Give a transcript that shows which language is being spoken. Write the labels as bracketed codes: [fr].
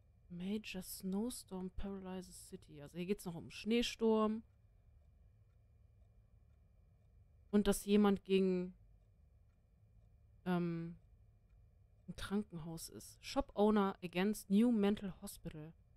[en] Major snowstorm paralyzes city. [de] Also hier geht es noch um Schneesturm. Und dass jemand gegen ein Krankenhaus ist. [en] Shop owner against new mental hospital.